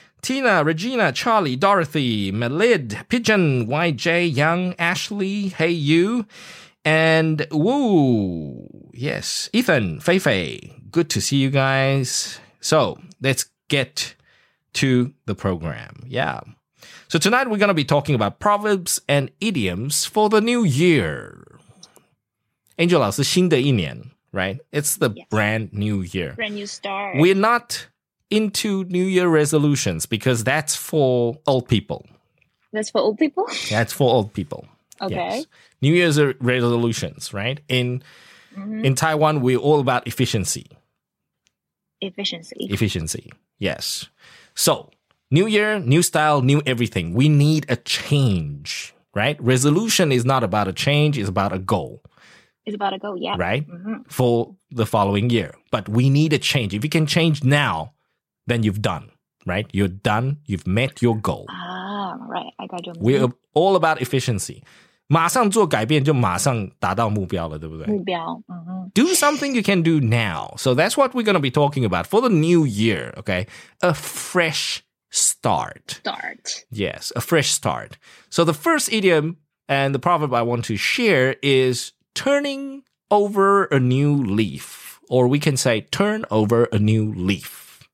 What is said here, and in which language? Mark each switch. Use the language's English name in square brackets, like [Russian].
[English] Tina, Regina, Charlie, Dorothy, Melid, Pigeon, YJ, Young, Ashley, Hey You, and Woo. Yes. Ethan, Feifei. Good to see you guys. So, let's get to the program. Yeah. So tonight we're going to be talking about proverbs and idioms for the new year. [Chinese] Angel 老师，新的一年， [English] right? It's the brand new year. Brand new start. We're not into new year resolutions because that's for old people. That's for old people? That's for old people. Okay. Yes. New year's resolutions, right? In Taiwan, we're all about efficiency. Efficiency. Efficiency. Yes. So, new year, new style, new everything. We need a change right? Resolution is not about a change, it's about a goal. It's about a goal, yeah. Right? Mm-hmm. For the following year. But we need a change. If you can change now, then you've done, right? You're done, you've met your goal. Ah, right, I got your meaning. We're all about efficiency. [Chinese] 马上做改变就马上达到目标了，对不对？目标，嗯。 [English] Do something you can do now. So that's what we're going to be talking about for the new year, okay? A fresh start. Start. Yes, a fresh start. So the first idiom and the proverb I want to share is turning over a new leaf, or we can say turn over a new leaf.